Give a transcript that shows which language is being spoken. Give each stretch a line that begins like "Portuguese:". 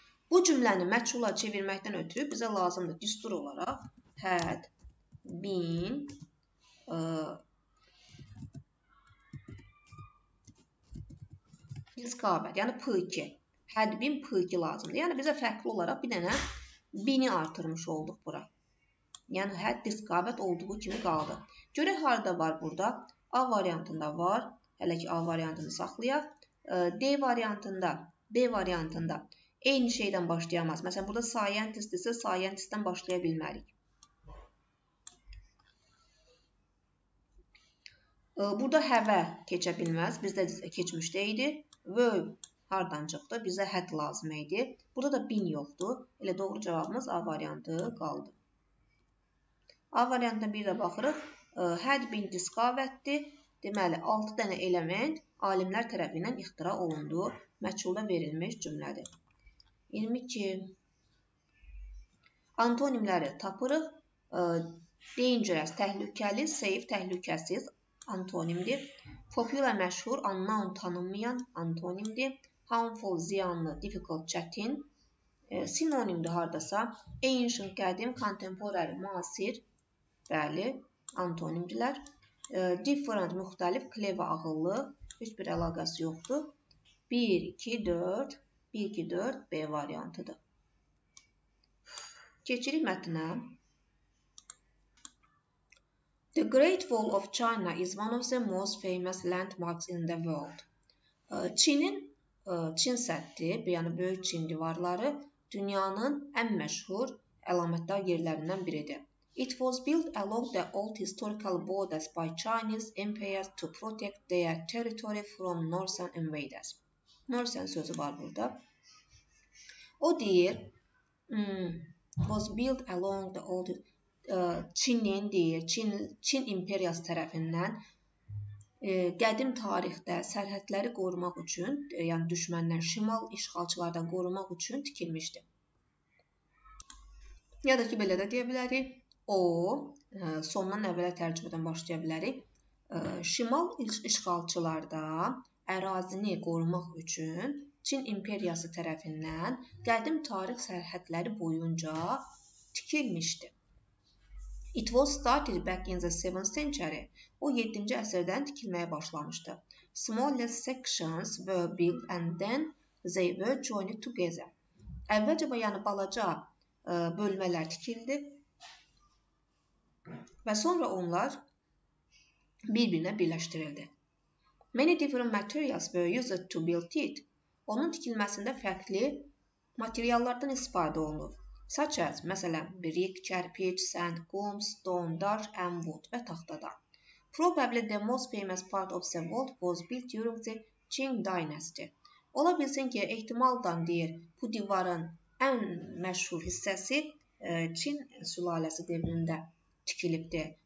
Azerbaijani: Bu cümləni məçhula çevirməkdən ötürü bizə lazımdır düstur olaraq
English: had been discovered,
Azerbaijani: yəni P2.
English: Had been
Azerbaijani: P2 lazımdır. Yəni bizə fərqli olaraq bir dənə been-i artırmış olduq bura. Yəni
English: had discovered
Azerbaijani: olduğu kimi qaldı. Görək harada var burada? A variantında var. Hələ ki A variantını saxlayaq. D variantında, B variantında eyni şeydən başlayamaz. Məsələn, burada scientist isə scientist-dən başlaya bilmərik. Burada have-ə keçə bilməz. Bizdə keçmişdə idi. Were hardan çıxdı? Bizə had lazım idi. Burada da been yoxdur. Elə doğru cavabımız A variantı qaldı. A variantına bir də baxırıq.
English: Had been discovered-dir.
Azerbaijani: Deməli, 6 dənə element alimlər tərəfindən ixtira olundu. Məçhulda verilmiş cümlədir. 22. Antonimləri tapırıq. Dangerous, təhlükəli, safe, təhlükəsiz antonimdir. Popular, məşhur, unknown, tanınmayan antonimdir. Harmful, ziyanlı, difficult, çətin. Sinonimdir hardasa. Ancient, qədim, contemporary, müasir. Bəli, antonimdirlər. Different, müxtəlif, clever, ağıllı. Heç bir əlaqəsi yoxdur. 1, 2, 4. 1, 2, 4 B variantıdır. Keçirik mətnə.
English: The Great Wall of China is one of the most famous landmarks in the world.
Azerbaijani: Çin səddi, yəni Böyük Çin divarları, dünyanın ən məşhur əlamətdar yerlərindən biridir.
English: It was built along the old historical borders by Chinese empires to protect their territory from northern invaders.
Azerbaijani: Northern sözü var burada. O deyir,
English: was built along the old
Azerbaijani: Çinin deyir, Çin imperiyası tərəfindən qədim tarixdə sərhədləri qorumaq üçün, yəni düşməndən, şimal işğalçılardan qorumaq üçün tikilmişdi. Ya da ki, belə də deyə bilərik. O, sondan əvvələ tərcümədən başlaya bilərik. Şimal işğalçılarda ərazini qorumaq üçün Çin imperiyası tərəfindən qədim tarix sərhədləri boyunca tikilmişdi.
English: It was started back in the 7th century.
Azerbaijani: O, 7-ci əsrdən tikilməyə başlamışdı.
English: Smaller sections were built and then they were joined together.
Azerbaijani: Əvvəlcə, yəni balaca bölmələr tikildi. Və sonra onlar bir-birinə birləşdirildi.
English: Many different materials were used to build it.
Azerbaijani: Onun tikilməsində fərqli materiallardan istifadə olunur.
English: Such as, məsələn, brick, kərpiç, sand, qum, stone, daş, and wood və taxtadan. Probably the most famous part of the wall was built during the Qing dynasty.
Azerbaijani: Ola bilsin ki, ehtimaldan deyir, bu divarın ən məşhur hissəsi Çin sülaləsi dövründə tikilibdir.